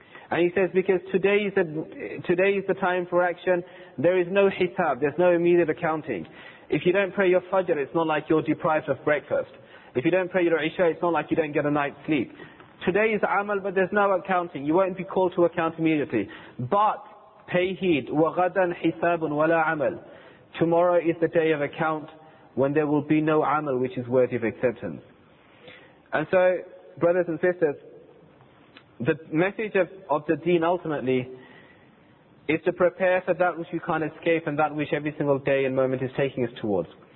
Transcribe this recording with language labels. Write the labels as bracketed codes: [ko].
[en] And he says, because today is the time for action, there is no hisab, there's no immediate accounting. If you don't pray your fajr, it's not like you're deprived of breakfast. If you don't pray your isha, it's not like you don't get a night's sleep. Today is amal, but there's no accounting. You won't be called to account immediately. But, pay heed, [ar] وَغَدًا حِسَابٌ وَلَا عَمَلٌ. [en] Tomorrow is the day of account when there will be no amal which is worthy of acceptance. And so, brothers and sisters, the message of the deen ultimately is to prepare for that which you can't escape and that which every single day and moment is taking us towards.